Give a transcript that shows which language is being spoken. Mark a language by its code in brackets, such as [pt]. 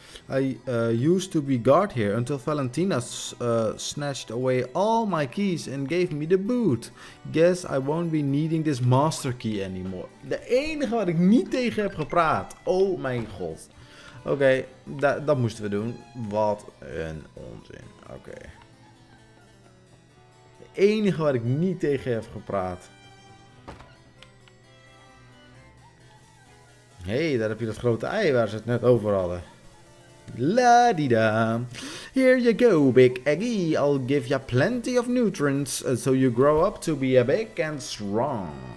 [en] I used to be guard here until Valentina snatched away all my keys and gave me the boot. Guess I won't be needing this master key anymore. [nl] De enige wat ik niet tegen heb gepraat. Oh mijn god. Oké, dat moesten we doen. Wat een onzin. Oké. De enige wat ik niet tegen heb gepraat. Hey, daar heb je dat grote ei waar ze het net over hadden. [en] La-di-da. Here you go, big eggy. I'll give you plenty of nutrients so you grow up to be a big and strong.